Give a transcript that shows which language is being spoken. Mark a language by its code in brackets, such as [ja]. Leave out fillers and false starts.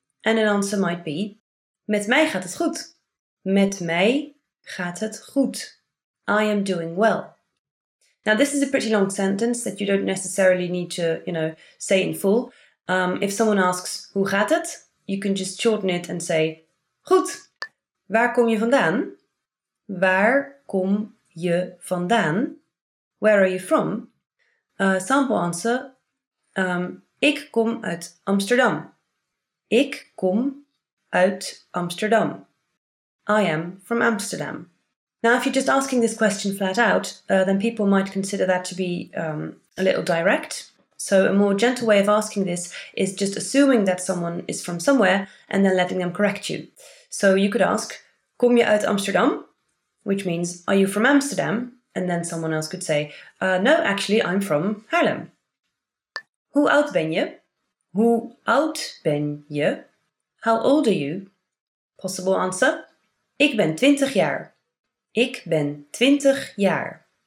[en] And an answer might be [nl] met mij gaat het goed. Met mij gaat het goed. [en] I am doing well. Now, this is a pretty long sentence that you don't necessarily need to, you know, say in full. If someone asks, [nl] hoe gaat het? [en] You can just shorten it and say, goed. [nl] Waar kom je vandaan? Waar kom je vandaan? [en] Where are you from? Sample answer. [nl] Ik kom uit Amsterdam. Ik kom uit Amsterdam. [en] I am from Amsterdam. Now, if you're just asking this question flat out, then people might consider that to be a little direct. So a more gentle way of asking this is just assuming that someone is from somewhere and then letting them correct you. So you could ask, [nl] kom je uit Amsterdam? [en] Which means, are you from Amsterdam? And then someone else could say, no, actually, I'm from Haarlem. [nl] Hoe oud ben je? Hoe oud ben je? [en] How old are you? Possible answer. [nl] Ik ben 20 jaar. Ik ben 20 jaar.